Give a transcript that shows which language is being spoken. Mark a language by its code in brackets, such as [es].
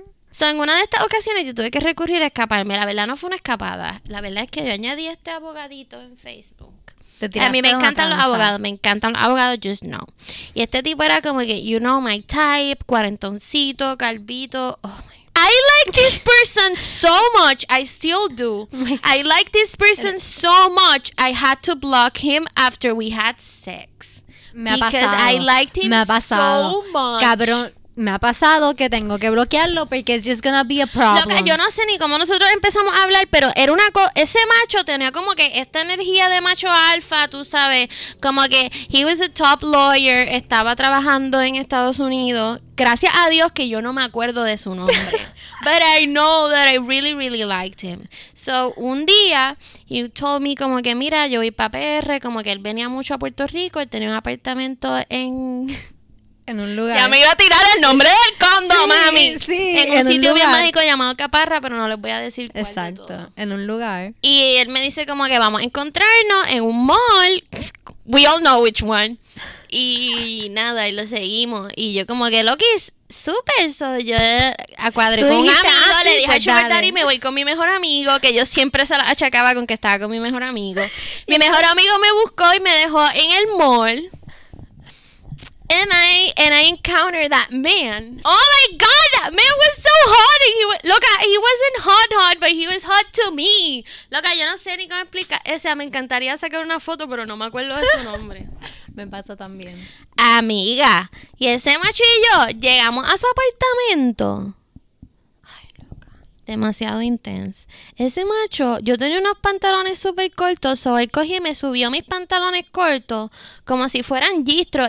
[es] So, en una de estas ocasiones yo tuve que recurrir a escaparme. La verdad no fue una escapada. La verdad es que yo añadí a este abogadito en Facebook. A mí me encantan los abogados. Me encantan los abogados, [en] just no. [es] Y este tipo era como que, [en] you know my type, [es] cuarentoncito, calvito. [en] Oh my. I like this person so much. I still do. I like this person so much. I had to block him after we had sex. [es] Me ha pasado. Cabrón, me ha pasado que tengo que bloquearlo porque [en] it's just gonna be a problem. [es] Loca, yo no sé ni cómo nosotros empezamos a hablar, pero era una ese macho tenía como que esta energía de macho alfa, tú sabes, como que [en] he was a top lawyer, [es] estaba trabajando en Estados Unidos. Gracias a Dios que yo no me acuerdo de su nombre. [en] But I know that I really, really liked him. [es] So, un día, [en] he told me [es] como que, mira, yo voy para PR, como que él venía mucho a Puerto Rico, él tenía un apartamento en un lugar. Ya me iba a tirar el nombre del condo, sí, mami. Sí, en un sitio bien mágico llamado Caparra, pero no les voy a decir cuál. Exacto, de todo. En un lugar. Y él me dice como que vamos a encontrarnos en un mall. [en] We all know which one. [es] Y nada, y lo seguimos. Y yo como que lo quise. Súper, so yo acuadré con un amigo, le dije a Sugar Daddy, me voy con mi mejor amigo, que yo siempre se la achacaba con que estaba con mi mejor amigo. Mi mejor amigo me buscó y me dejó en el mall. [en] And I encountered that man. Oh my God, that man was so hot. He wasn't hot, but he was hot to me. [es] Loca, yo no sé ni cómo explicar. O sea, me encantaría sacar una foto, pero no me acuerdo de su nombre. Me pasa también. Amiga, y ese macho y yo llegamos a su apartamento. Ay, loca. Demasiado intenso. Ese macho, yo tenía unos pantalones súper cortos, so él cogió y me subió mis pantalones cortos como si fueran gistro.